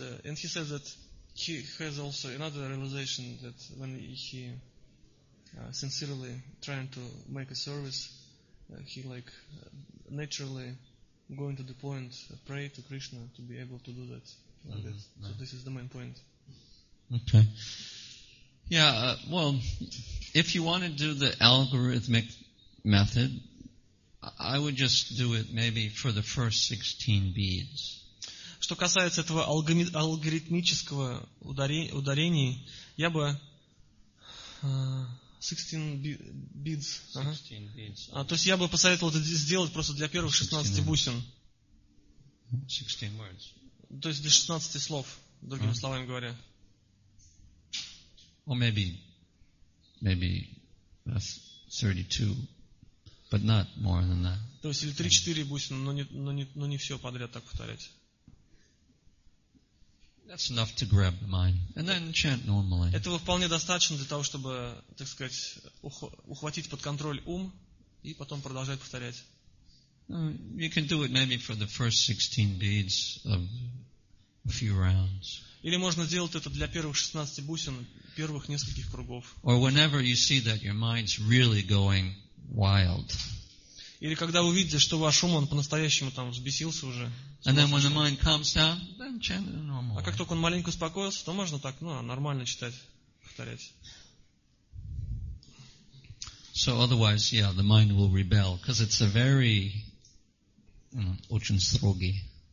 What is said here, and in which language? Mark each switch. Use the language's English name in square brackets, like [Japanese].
[English] And he says that he has also another realization that when he sincerely trying to make a service, he naturally going to the point, pray to Krishna to be able to do that. Mm-hmm. So this is the main point. Okay. Yeah, well, if you want to do the algorithmic method, I would just do it maybe for the first 16 beads. [Russian] Что касается этого алгоритмического ударения, я бы... [English] 16 beads. Uh-huh. [Russian] То есть я бы посоветовал это сделать просто для первых 16 бусин. [English] 16 words. [Russian] То есть для 16 слов, другими словами говоря. [English] Or maybe 32, but not more than that. [Russian] То есть или 3-4 бусины, но не все подряд так повторять. [English] That's enough to grab the mind and then chant normally. [Russian] Этого вполне достаточно для того, чтобы, так сказать, ухватить под контроль ум и потом продолжать повторять. [English] You can do it maybe for the first 16 beads of a few rounds. [Russian] Или можно сделать это для первых 16 бусин, первых нескольких кругов. [English] Or whenever you see that your mind's really going wild. [Russian] Или когда вы видите, что ваш ум, он по-настоящему там взбесился уже. [English] And then when the mind calms down, then chant in a normal way. [Russian] А как только он маленько успокоился, то можно так, ну, нормально читать, повторять. [English] So otherwise, yeah, the mind will rebel, because it's a very [Russian] очень строгий